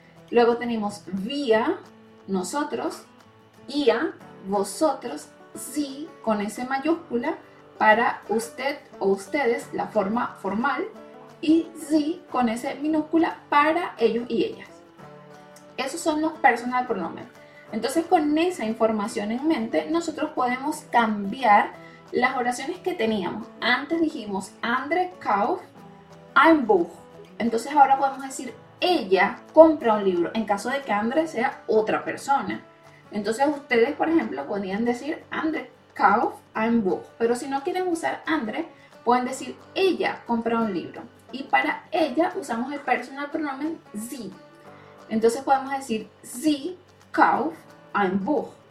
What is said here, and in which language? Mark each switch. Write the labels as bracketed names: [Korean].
[Spanish] Luego tenemos wir, nosotros, ihr, vosotros, sie, con S mayúscula, para usted o ustedes, la forma formal, y sie, con S minúscula, para ellos y ellas. Esos son los personal pronombres. Entonces, con esa información en mente, nosotros podemos cambiar las oraciones que teníamos. Antes dijimos, [German] Andre kauft ein Buch. [Spanish] Entonces, ahora podemos decir, ella compra un libro, en caso de que Andre sea otra persona. Entonces, ustedes, por ejemplo, podrían decir, [German] Andre kauft ein Buch. [Spanish] Pero si no quieren usar Andre, pueden decir, ella compra un libro. Y para ella, usamos el personal pronombre sie. Entonces, podemos decir, [German] sie kauft ein Buch.